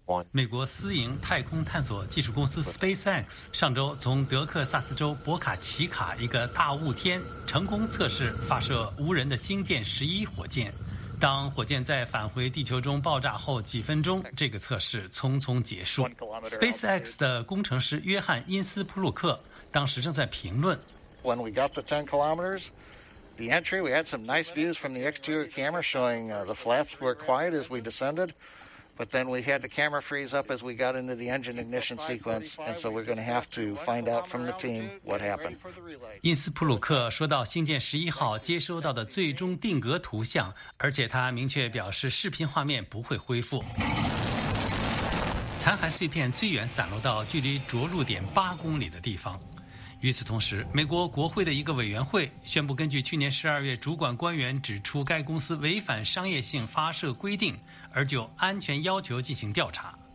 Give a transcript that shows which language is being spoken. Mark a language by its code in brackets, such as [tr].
[zh] 美国私营太空探索技术公司 SpaceX 上周从德克萨斯州博卡奇卡一个大雾天成功测试发射无人的星舰11火箭。当火箭在返回地球中爆炸后几分钟，这个测试匆匆结束。 SpaceX 的工程师约翰·因斯普鲁克当时正在评论 [en] ：“When we got to 10 kilometers, the entry, we had some nice views from the exterior camera showing the flaps were quiet as we descended, but then we had the camera freeze up as we got into the engine ignition sequence, and so we're going to have to find out from the team what happened.” [zh] 因斯普鲁克说到星舰十一号接收到的最终定格图像。而且他明确表示视频画面不会恢复。残骸碎片最远散落到距离着陆点8公里的地方。与此同时，美国国会的一个委员会宣布根据去年12月主管官员指出该公司违反商业性发射规定而就安全要求进行调查。